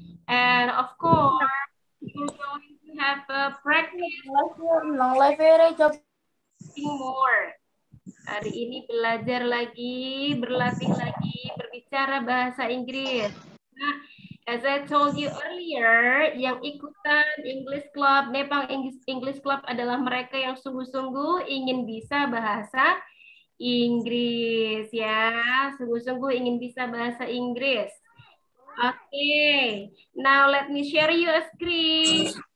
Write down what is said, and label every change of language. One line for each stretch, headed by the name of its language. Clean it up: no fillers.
English: And of course, we're going to have a practice more.
Indonesian: Hari ini belajar lagi, berlatih lagi, berbicara bahasa Inggris. Nah,
English: as I told you earlier,
Indonesian: yang ikutan English Club, Nepang English Club adalah mereka yang sungguh-sungguh ingin bisa bahasa Inggris. Ya, sungguh-sungguh ingin bisa bahasa Inggris.
English: Okay, now let me share you a screen.